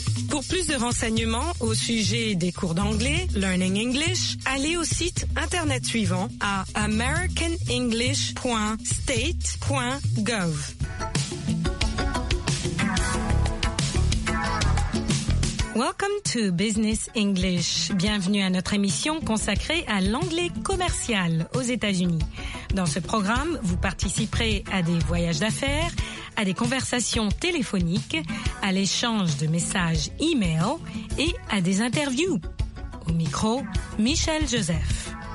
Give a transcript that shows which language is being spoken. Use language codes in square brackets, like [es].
[fr] Pour plus de renseignements au sujet des cours d'anglais, Learning English, allez au site internet suivant à americanenglish.state.gov. [en] Welcome to Business English. [fr] Bienvenue à notre émission consacrée à l'anglais commercial aux États-Unis. Dans ce programme, vous participerez à des voyages d'affaires, à des conversations téléphoniques, à l'échange de messages e-mail et à des interviews. Au micro, Michel Joseph.